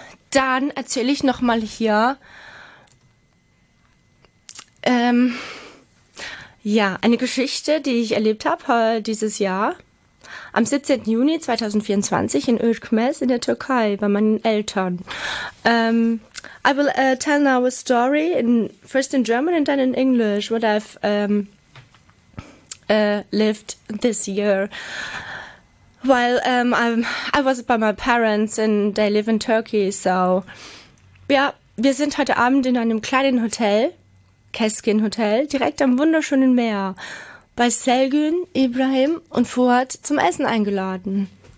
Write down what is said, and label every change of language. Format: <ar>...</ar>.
<de>Dann erzähle ich nochmal hier. Ja, eine Geschichte, die ich erlebt habe dieses Jahr. Am 17. Juni 2024 in Ölkmez in der Türkei bei meinen Eltern.</de> <en>I will tell now a story in first in German and then in English, what I've lived this year. While I was by my parents and they live in Turkey, so</en> <de>ja, wir sind heute Abend in einem kleinen Hotel, Keskin Hotel, direkt am wunderschönen Meer, bei Selgün, Ibrahim und Fuad zum Essen eingeladen.</de>